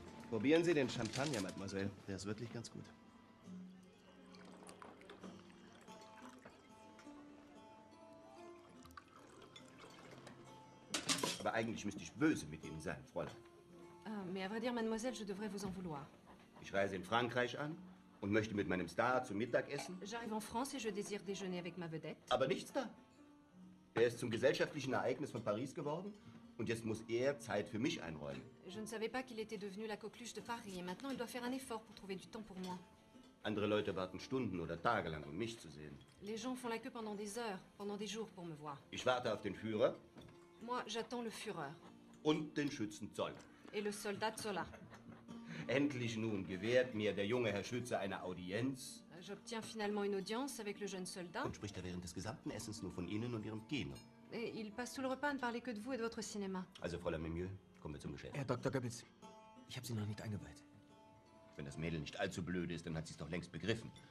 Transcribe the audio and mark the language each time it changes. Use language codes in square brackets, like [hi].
[de] Probieren Sie den Champagner, Mademoiselle. Der ist wirklich ganz gut. Aber eigentlich müsste ich böse mit Ihnen sein, Fräulein. [fr] Mais à vrai dire, Mademoiselle, je devrais vous en vouloir. [de] Ich reise in Frankreich an und möchte mit meinem Star zum Mittag essen. [fr] J'arrive en France et je désire déjeuner avec ma vedette. [de] Aber nichts da. Er ist zum gesellschaftlichen Ereignis von Paris geworden. Und jetzt muss er Zeit für mich einräumen. [fr] Je ne savais pas qu'il était devenu la coqueluche de Paris. Et maintenant, il doit faire un effort pour trouver du temps pour moi. [de] Andere Leute warten Stunden oder Tage lang, um mich zu sehen. [fr] Les gens font la queue pendant des heures, pendant des jours pour me voir. [de] Ich warte auf den Führer. [fr] Moi, j'attends le Führer. [de] Und den Schützen Zoll. [fr] Et le soldat Zola. [de] Endlich nun gewährt mir der junge Herr Schütze eine Audienz. [fr] J'obtiens finalement une audience avec le jeune soldat. [de] Und spricht er während des gesamten Essens nur von Ihnen und Ihrem Kino. [fr] Et il passe tout le repas à ne parler que de vous et de votre cinéma. [de] Also, Fräulein Mimieux, kommen wir zum Geschäft. Herr Dr. Goebbels, ich habe Sie noch nicht eingeweiht. Wenn das Mädel nicht allzu blöd ist, dann hat sie es doch längst begriffen.